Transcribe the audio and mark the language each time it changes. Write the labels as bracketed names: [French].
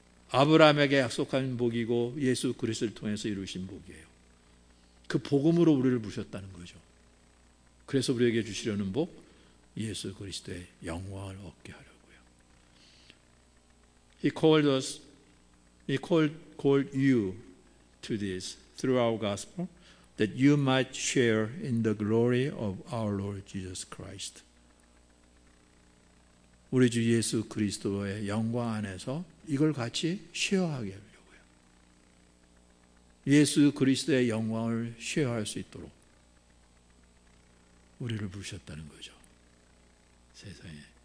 [Korean] 아브라함에게 약속한 복이고 예수 그리스도를 통해서 이루신 복이에요. 그 복음으로 우리를 부르셨다는 거죠. 그래서 우리에게 주시려는 복, 예수 그리스도의 영광을 얻게 하려. [English] He called us, He called you to this through our gospel that you might share in the glory of our Lord Jesus Christ. [Korean] 우리 주 예수 그리스도의 영광 안에서 이걸 같이 쉐어하게 하려고요. 예수 그리스도의 영광을 쉐어할 수 있도록 우리를 부르셨다는 거죠. 세상에.